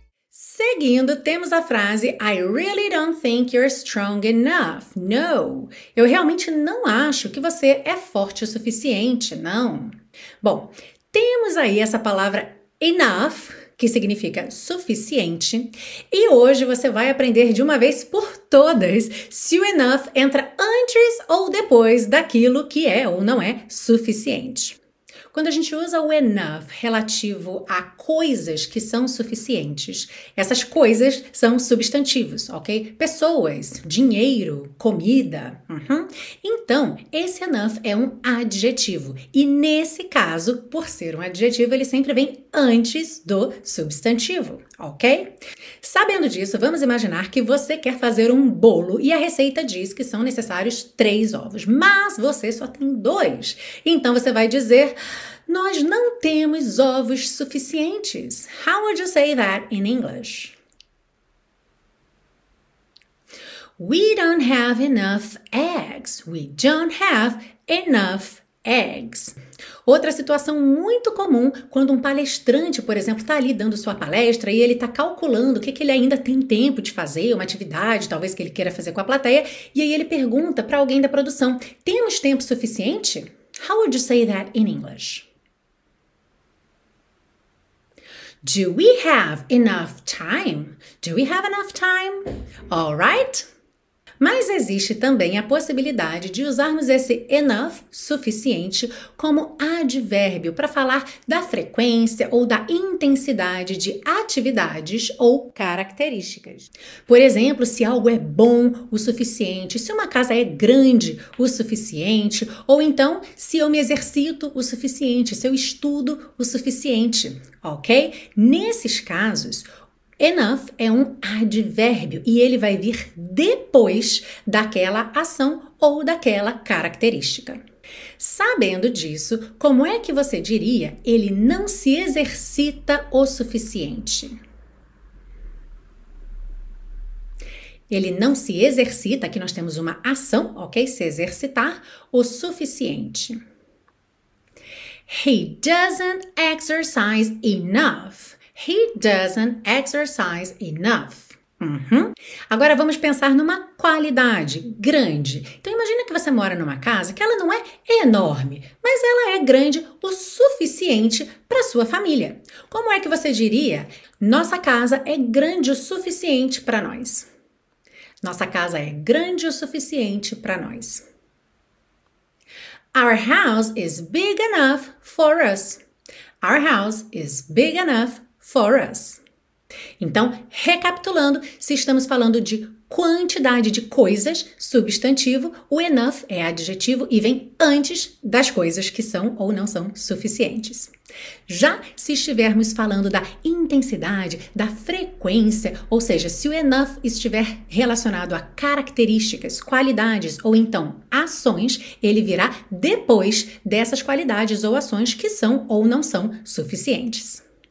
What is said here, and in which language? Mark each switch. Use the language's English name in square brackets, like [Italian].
[Portuguese] Seguindo, temos a frase [English] I really don't think you're strong enough. [Portuguese] No, eu realmente não acho que você é forte o suficiente, não. Bom, temos aí essa palavra enough, que significa suficiente, e hoje você vai aprender de uma vez por todas se o enough entra antes ou depois daquilo que é ou não é suficiente. Quando a gente usa o enough relativo a coisas que são suficientes, essas coisas são substantivos, ok? Pessoas, dinheiro, comida. Então, esse enough é um adjetivo. E nesse caso, por ser um adjetivo, ele sempre vem antes do substantivo, ok? Sabendo disso, vamos imaginar que você quer fazer um bolo e a receita diz que são necessários 3 ovos, mas você só tem 2. Então, você vai dizer... Nós não temos ovos suficientes. [English] How would you say that in English? We don't have enough eggs. We don't have enough eggs. [Portuguese] Outra situação muito comum quando um palestrante, por exemplo, está ali dando sua palestra e ele está calculando o que ele ainda tem tempo de fazer, uma atividade talvez que ele queira fazer com a plateia, e aí ele pergunta para alguém da produção, temos tempo suficiente? [English] How would you say that in English? Do we have enough time? Do we have enough time? All right? [Portuguese] Mas existe também a possibilidade de usarmos esse enough, suficiente, como advérbio para falar da frequência ou da intensidade de atividades ou características. Por exemplo, se algo é bom o suficiente, se uma casa é grande o suficiente, ou então se eu me exercito o suficiente, se eu estudo o suficiente, ok? Nesses casos... Enough é um advérbio e ele vai vir depois daquela ação ou daquela característica. Sabendo disso, como é que você diria ele não se exercita o suficiente? Ele não se exercita, aqui nós temos uma ação, ok? Se exercitar o suficiente. [English] He doesn't exercise enough. He doesn't exercise enough. [Portuguese] Agora vamos pensar numa qualidade grande. Então imagina que você mora numa casa que ela não é enorme, mas ela é grande o suficiente para sua família. Como é que você diria? Nossa casa é grande o suficiente para nós. Nossa casa é grande o suficiente para nós. [English] Our house is big enough for us. Our house is big enough for us. [Portuguese] Então, recapitulando, se estamos falando de quantidade de coisas, substantivo, o enough é adjetivo e vem antes das coisas que são ou não são suficientes. Já se estivermos falando da intensidade, da frequência, ou seja, se o enough estiver relacionado a características, qualidades ou então ações, ele virá depois dessas qualidades ou ações que são ou não são suficientes.